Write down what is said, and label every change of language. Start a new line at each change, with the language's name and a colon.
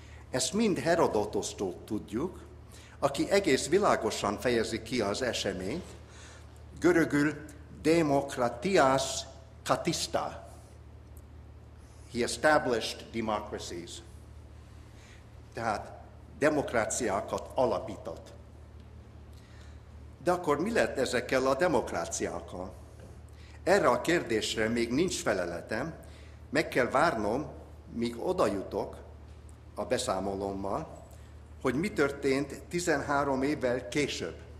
Hungarian: Ezt mind Herodotosztól tudjuk, aki egész világosan fejezi ki az eseményt, görögül demokratias katista.
English: He established democracies.
Hungarian: Tehát demokráciákat alapított. De akkor mi lett ezekkel a demokráciákkal? Erre a kérdésre még nincs feleletem, meg kell várnom, míg oda jutok a beszámolommal, hogy mi történt 13 évvel később.